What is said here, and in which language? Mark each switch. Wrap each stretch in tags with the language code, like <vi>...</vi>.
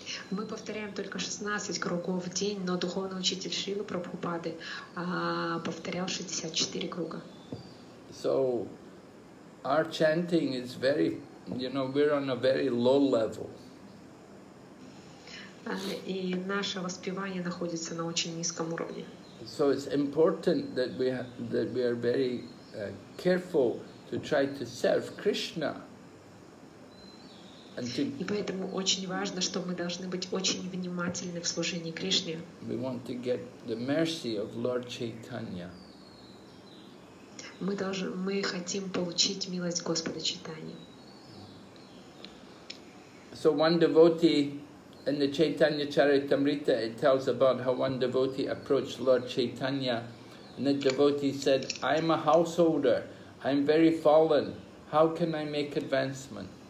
<ru>Мы повторяем только 16 кругов в день, но духовный учитель Шрилы Прабхупады повторял 64 круга.</ru> <en>So our chanting is very, you know, we're on a very low level.</en> <ru>И наше воспевание находится на очень низком уровне.</ru> <en>So it's important that we are very careful to try to serve Krishna.</en> <ru>И поэтому очень важно, что мы должны быть очень внимательны в служении Кришне.</ru> <en>We want to get the mercy of Lord Chaitanya.</en> <ru>Мы хотим получить милость Господа Чайтаньи.</ru> <en>So one devotee in the Chaitanya Charitamrita, it tells about how one devotee approached Lord Chaitanya, and the devotee said, I'm a householder, I'm very fallen, how can I make advancement?</en>